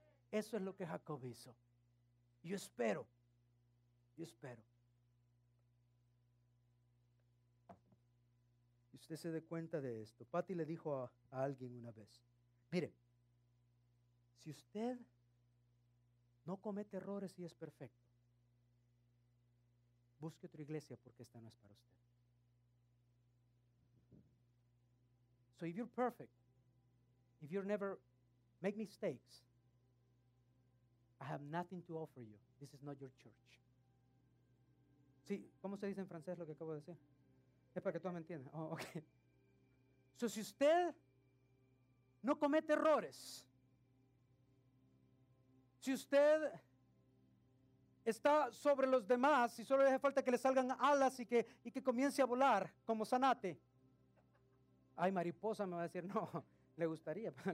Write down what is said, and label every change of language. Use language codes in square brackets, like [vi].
[es] Eso es lo que Jacob hizo. Yo espero. Y usted se dé cuenta de esto. Patty le dijo a alguien una vez, mire, si usted no comete errores y es perfecto, busque otra iglesia porque esta no es para usted. [en] So if you're perfect, if you never make mistakes, I have nothing to offer you. This is not your church. [es] Sí, ¿cómo se dice en francés lo que acabo de decir? Es para que todos me entiendan. [en] Oh, okay. [es] So si usted no comete errores, si usted está sobre los demás y solo le hace falta que le salgan alas y que comience a volar como Zanate, ay, mariposa, me va a decir, no, le gustaría.